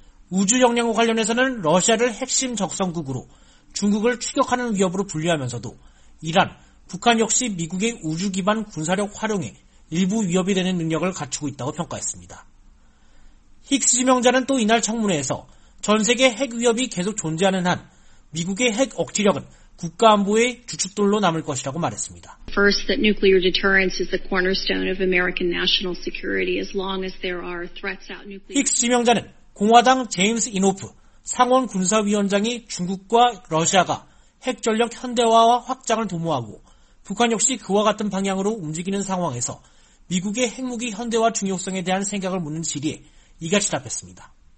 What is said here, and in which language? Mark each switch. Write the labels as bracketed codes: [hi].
[ko] 우주 역량과 관련해서는 러시아를 핵심 적성국으로 중국을 추격하는 위협으로 분류하면서도 이란, 북한 역시 미국의 우주 기반 군사력 활용에 일부 위협이 되는 능력을 갖추고 있다고 평가했습니다. 힉스 지명자는 또 이날 청문회에서 전 세계 핵 위협이 계속 존재하는 한 미국의 핵 억지력은 국가 안보의 주춧돌로 남을 것이라고 말했습니다. [en] First, that nuclear deterrence is the cornerstone of American national security as long as there are threats out nuclear. [ko] 힉스 지명자는 공화당 제임스 이노프 상원 군사위원장이 중국과 러시아가 핵전력 현대화와 확장을 도모하고 북한 역시 그와 같은 방향으로 움직이는 상황에서 미국의 핵무기 현대화 중요성에 대한 생각을 묻는 질의에 이같이 답했습니다.